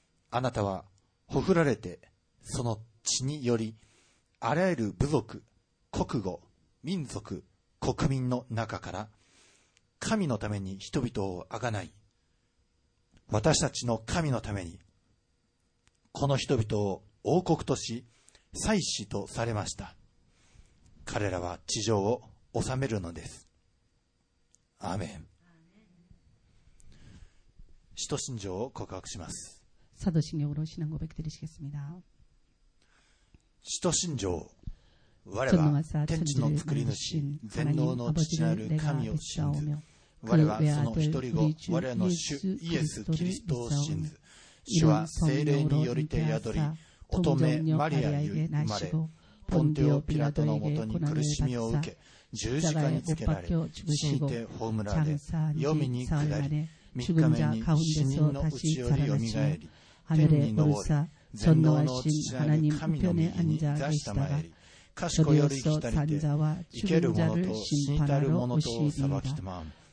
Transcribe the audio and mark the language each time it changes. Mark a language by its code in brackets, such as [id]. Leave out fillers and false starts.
[ja] あなたはほふられてその血によりあらゆる部族、国語、民族、国民の中から神のために人々をあがない、私たちの神のためにこの人々を王国とし祭司とされました。彼らは地上を治めるのです。アーメン。使徒信条を告白します。 [ko] 사도신경으로신앙고백드리시겠습니다 [ja] 使徒信条。我は天地の作り主、全能の父なる神を信ず。我はその一人子、我らの主イエス・キリストを信ず。主は聖霊によりて宿り、乙女マリアに生まれ、ポンテオ・ピラトのもとに苦しみを受け、十字架につけられ、死にて葬られ、黄泉に下り、三日目に死人の内よりよみがえり、天に昇り、全能の父なる神の右に座したまえり、かしこより来たりて、生ける者と死に至る者とを裁きてまん。